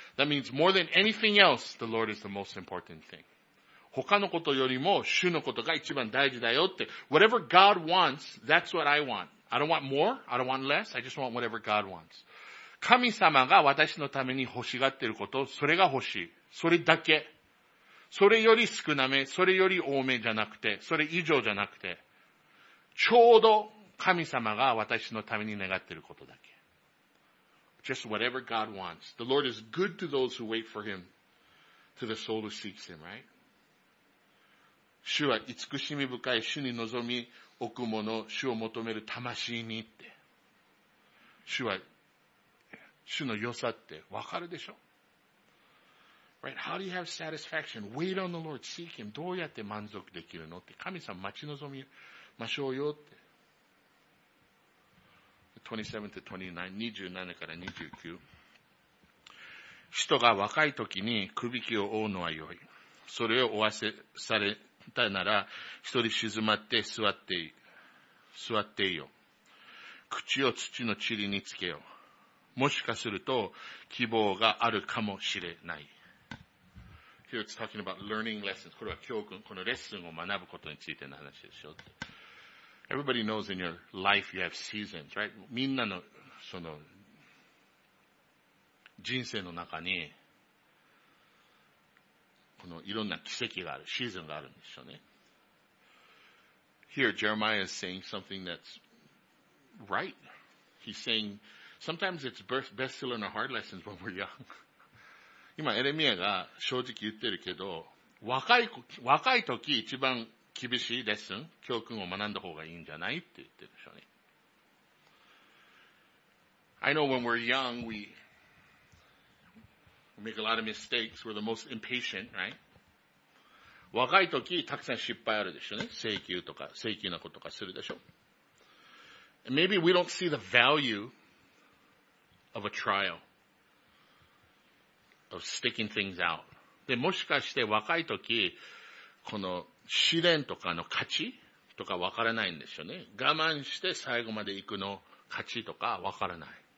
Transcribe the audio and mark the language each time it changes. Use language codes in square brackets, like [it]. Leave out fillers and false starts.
[en] That means more than anything else, the Lord is the most important thing. [ja] 他のことよりも主のことが一番大事だよって。 [en] Whatever God wants, that's what I want. I don't want more, I don't want less, I just want whatever God wants. [ja] 神様が私のために欲しがっていること、それが欲しい。それだけ。それより少なめ、それより多めじゃなくて、それ以上じゃなくて、ちょうど神様が私のために願っていることだけ。 [en] Just whatever God wants. The Lord is good to those who wait for Him, to the soul who seeks Him, right? [ja] 主は慈しみ深い、主に望み置くもの、主を求める魂にって。主は、主の良さって分かるでしょ [en] ?Right, how do you have satisfaction? Wait on the Lord, seek Him. [ja] どうやって満足できるのって。神様待ち望みましょうよって。 27から29。人が若い時に首輝きを負うのは良い。それを負わせされ、だなら、一人静まって座っていいよ。口を土の塵につけよ。もしかすると、希望があるかもしれない。 [en] Here it's talking about learning lessons. [ja] これは教訓、このレッスンを学ぶことについての話でしょ。 [en] Everybody knows in your life you have seasons, right? [ja] みんなの、その、人生の中に、このいろんな奇跡がある、シーズンがあるんでしょうね。 [en] Here, Jeremiah is saying something that's right. He's saying, sometimes it's best to learn the hard lessons when we're young. [ja] 今、エレミアが正直言ってるけど、若い時一番厳しいレッスン、教訓を学んだ方がいいんじゃないって言ってるでしょうね。 [en] I know when we're young, we make a lot of mistakes. We're the most impatient, right? [ja] 若い時、たくさん失敗あるでしょうね。請求なことかするでしょう。 [en] And maybe we don't see the value of a trial, of sticking things out. [ja] で、もしかして若い時、この試練とかの価値とかわからないんでしょうね。我慢して最後まで行くの価値とかわからない。